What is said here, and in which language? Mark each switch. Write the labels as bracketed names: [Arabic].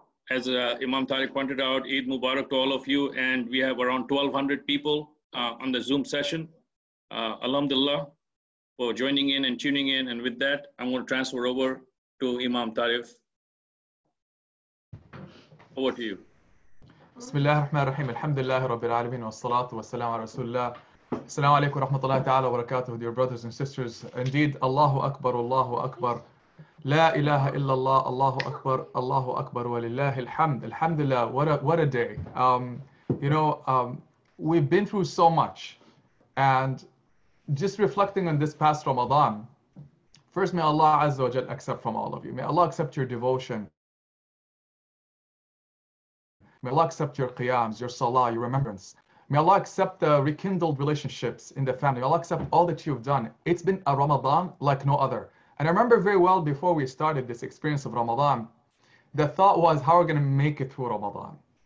[English] As Imam Tariq pointed out, Eid Mubarak to all of you. And we have around 1,200 people on the Zoom session. Alhamdulillah for joining in and tuning in. And with that, I'm going to transfer over to Imam Tarif. Over to you. [Arabic] بسم الله الرحمن الرحيم الحمد لله رب العالمين والصلاة والسلام على رسول الله السلام عليكم ورحمة الله تعالى وبركاته [English] dear brothers and sisters indeed [Arabic] الله أكبر الله أكبر لا إله إلا الله الله أكبر الله أكبر ولله الحمد الحمد لله [English] what a day you know we've been through so much and just reflecting on this past Ramadan first may Allah [Arabic] عز وجل [English] accept from all of you may Allah accept your devotion. May Allah accept your qiyams, your salah, your remembrance. May Allah accept the rekindled relationships in the family. May Allah accept all that you've done. It's been a Ramadan like no other. And I remember very well before we started this experience of Ramadan, the thought was, how are we going to make it through Ramadan?